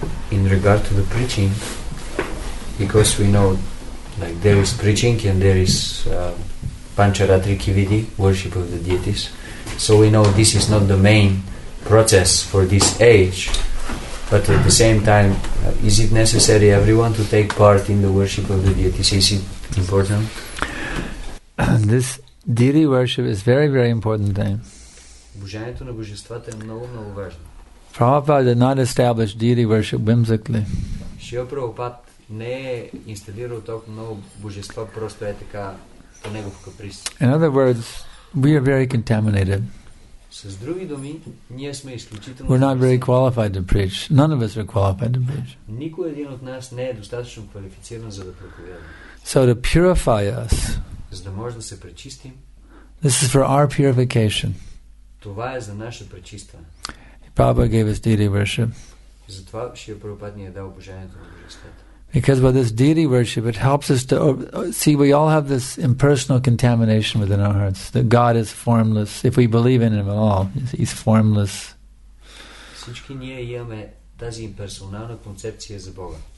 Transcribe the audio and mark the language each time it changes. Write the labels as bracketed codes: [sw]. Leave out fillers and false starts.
[en] In regard to the preaching, because we know like there is preaching and there is Pancharatri Kividi, worship of the deities, so we know this is not the main process for this age, but at the same time, is it necessary everyone to take part in the worship of the deities? Is it important? And this deity worship is very, very important thing. [bg] Обожанието на божествата е много, много важно. [en] Prabhupada did not establish deity worship whimsically. [bg] Шрила Прабхупад не е инсталирал толкова много божества просто е така по негов каприз. [en] In other words, we are very contaminated. [bg] С други думи, ние сме изключително. [en] We're not very qualified to preach. None of us are qualified to preach. [bg] Никой един от нас не е достатъчно квалифициран за да проповядва. [en] So to purify us. [bg] За да може да се пречистим. [en] This is for our purification. [bg] Това е за наше пречистване. [en] Prabhupada gave us deity worship. [bg] Затова Шрила Прабхупад ни е дал обожанието на божествата. [en] Because with this deity worship, it helps us to see we all have this impersonal contamination within our hearts. That God is formless. If we believe in Him at all, He's formless. [bg] Всички ние имаме тази имперсонална концепция за Бога.